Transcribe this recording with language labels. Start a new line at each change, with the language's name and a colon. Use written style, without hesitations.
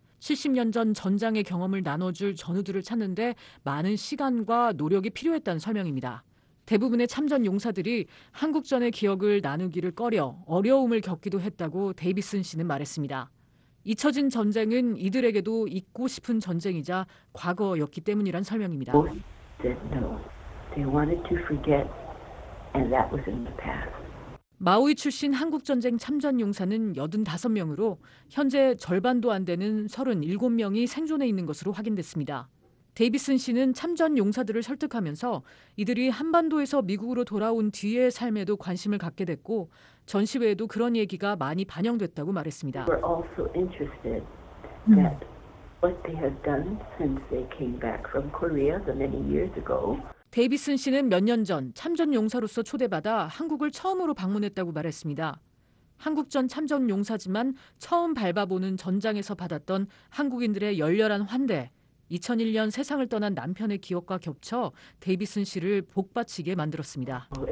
Korean: 70년 전 전장의 경험을 나눠줄 전우들을 찾는 데 많은 시간과 노력이 필요했다는 설명입니다. 대부분의 참전 용사들이 한국전의 기억을 나누기를 꺼려 어려움을 겪기도 했다고 데이비슨 씨는 말했습니다. 잊혀진 전쟁은 이들에게도 잊고 싶은 전쟁이자 과거였기 때문이란 설명입니다.
English: They wanted to forget, and that was in the past.
Korean: 마우이 출신 한국전쟁 참전용사는 85명으로 현재 절반도 안 되는 37명이 생존해 있는 것으로 확인됐습니다. 데이비슨 씨는 참전용사들을 설득하면서 이들이 한반도에서 미국으로 돌아온 뒤의 삶에도 관심을 갖게 됐고 전시회에도 그런 얘기가 많이 반영됐다고 말했습니다.
English: We're also interested that what they have done since they came back from Korea the many years ago.
Korean: 데이비슨 씨는 몇 년 전 참전용사로서 초대받아 한국을 처음으로 방문했다고 말했습니다. 한국전 참전용사지만 처음 밟아보는 전장에서 받았던 한국인들의 열렬한 환대, 2001년 세상을 떠난 남편의 기억과 겹쳐 데이비슨 씨를 복받치게 만들었습니다.